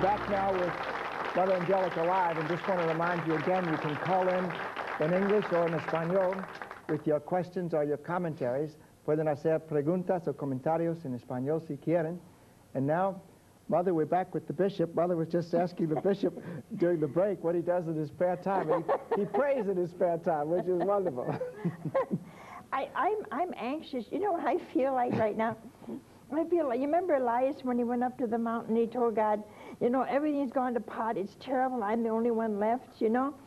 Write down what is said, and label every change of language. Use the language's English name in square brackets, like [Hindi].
[English] Now with Mother Angelica live, and just want to remind you again, you can call in English or in Espanol with your questions or your commentaries. [Spanish] Pueden hacer preguntas o comentarios en Espanol si quieren. [English] And now, Mother, we're back with the Bishop. Mother was just asking the Bishop during the break what he does in his spare time. He prays in his spare time, which is wonderful. I'm anxious. You know what I feel like right now? I feel like, you remember Elias when he went up to the mountain, he told God, you know, everything's gone to pot, it's terrible, I'm the only one left, you know?